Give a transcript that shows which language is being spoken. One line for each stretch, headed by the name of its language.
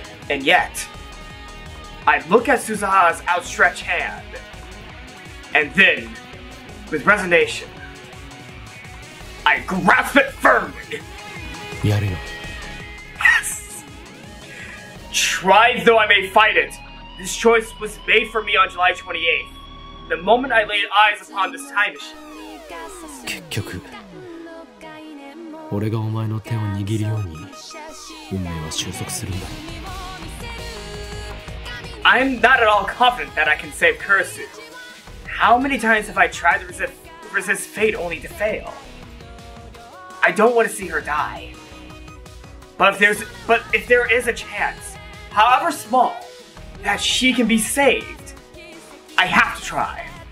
English: And yet, I look at Suzuha's outstretched hand, and then, with resignation, I grasp it firmly!
Japanese: やるよ.
English: Yes! Try though I may fight it, this choice was made for me on July 28th, the moment I laid eyes upon this time machine.
Japanese: 結局、俺がお前の手を握るように、運命は収束するんだ。
English: I'm not at all confident that I can save Kurisu. How many times have I tried to resist fate only to fail? I don't want to see her die. But if there is a chance, however small, that she can be saved, I have to try.